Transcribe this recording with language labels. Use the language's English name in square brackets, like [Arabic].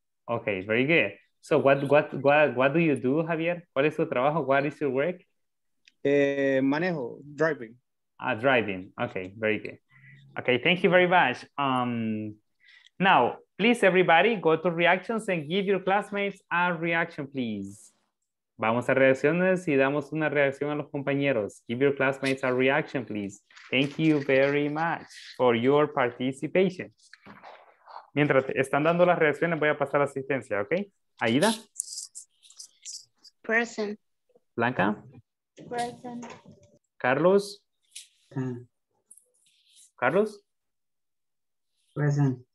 [English] Okay, very good. So what do you do, Javier? [Spanish] ¿Cuál es tu trabajo? [English] What is your work? [Spanish] Manejo driving. [English] Driving. Okay, very good. Okay, thank you very much. Now, please, everybody, go to reactions and give your classmates a reaction, please. [Spanish] Vamos a reacciones y damos una reacción a los compañeros. [English] Give your classmates a reaction, please. Thank you very much for your participation. [Spanish] mientras están dando las reacciones, voy a pasar a asistencia, ¿ok? Aida. [English] Present. Blanca. Present. Carlos. Carlos. Present.